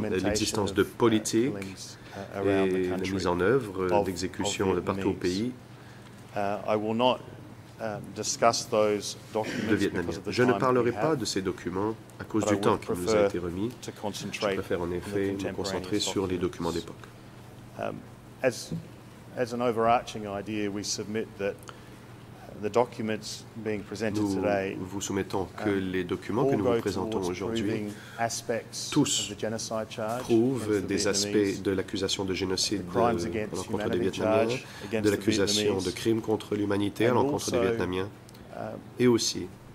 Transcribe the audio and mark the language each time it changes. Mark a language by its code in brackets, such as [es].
[fr] l'existence de politique et la mise en œuvre d'exécution de partout au pays. [en] I will not discuss those documents [fr] de Vietnamiens. Je ne parlerai pas de ces documents à cause du temps qui nous a été remis. Je préfère en effet me concentrer sur les documents d'époque. [en] As an overarching idea, we submit that the documents being presented [fr] nous [en] today, [fr] vous soumettons que les documents que nous vous présentons aujourd'hui tous prouvent des aspects de l'accusation de génocide à l'encontre des Vietnamiens, de l'accusation de crimes contre l'humanité à l'encontre des Vietnamiens, et aussi